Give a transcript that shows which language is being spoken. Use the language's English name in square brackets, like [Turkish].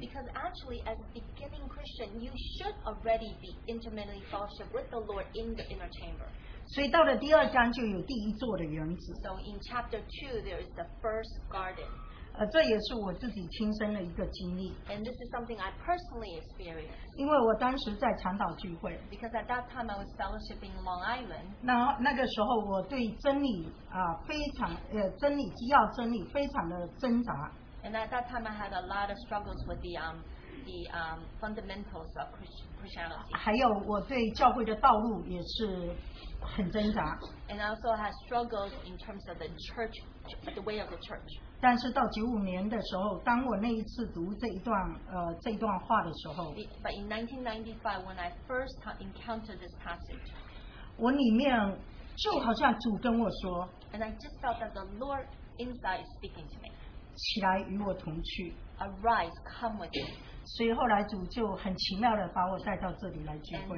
[English] Because actually as a beginning Christian, you should already be intimately fellowship with the Lord in the inner chamber. [Chinese] 所以到了第二章就有第一座的园子。 [English] So in chapter 2, there is the first garden. [Chinese] 这也是我自己亲身的一个经历。 [English] And this is something I personally experienced. [Chinese] 因为我当时在长岛聚会。 [English] Because at that time I was fellowshipping in Long Island. [Chinese] 那个时候我对真理, 非常, 真理, 要真理, 非常的挣扎。 [English] And at that time I had a lot of struggles with the fundamentals of Christianity. [Chinese] 还有我对教会的道路也是很挣扎。 [English] And I also had struggles in terms of the church, the way of the church. [Chinese] 但是到 95年的时候, 当我那一次读这一段, 这一段话的时候, [English] But in 1995, when I first encountered this passage, [Chinese] 我里面就好像主跟我说, [English] And I just felt that the Lord inside is speaking to me. [Chinese] 起来与我同去, [English] Arise, come with me. [Chinese] 所以后来主就很奇妙地把我带到这里来聚会。